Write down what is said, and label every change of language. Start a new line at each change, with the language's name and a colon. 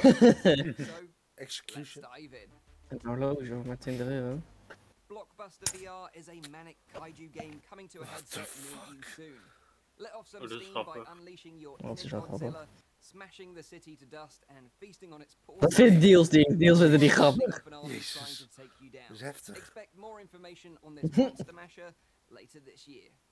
English: titles. So, let's dive in.
Dutch: Een horloge met 20 euro.
English: Blockbuster VR is a manic kaiju game coming to a headset near you soon. Let off some steam by unleashing your inner Godzilla, smashing the city to dust and feasting on its poor.
Dutch: Dat zijn deals die vinden die grappig. Jezus. Heftig.
English: Expect more information on this monster masher later this year.